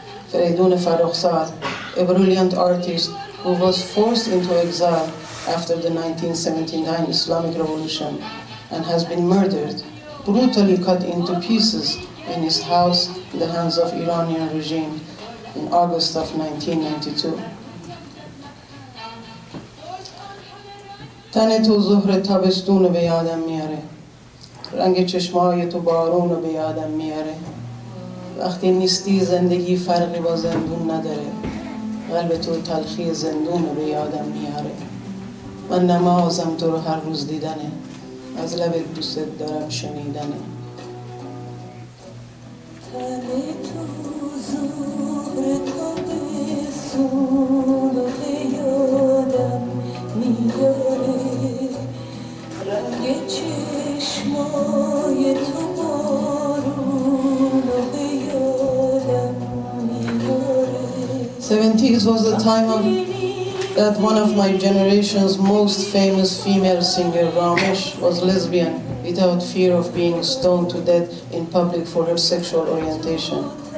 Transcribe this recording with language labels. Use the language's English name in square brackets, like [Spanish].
[English] Fereydoun Farrokhzad, a brilliant artist who was forced into exile after the 1979 Islamic Revolution and has been murdered, brutally cut into pieces in his house in the hands of Iranian regime in August of 1992. [Persian] تن تو ظهر تابستون به یادم میاره، رنگ چشمای تو بارون به یادم میاره، وقتی نیستی زندگی فرقی با زندون نداره، قلب تو تلخی زندون به یادم میاره، من نمازم تو رو هر روز دیدنه، از لب دوست دارم شنیدنه. تن تو ظهر تابستون به یادم میاره، رنگ چشمای تو بارون به یادم میاره. [English] 70s was the time of that one of my generation's most famous female singer, Ramesh, was lesbian without fear of being stoned to death in public for her sexual orientation.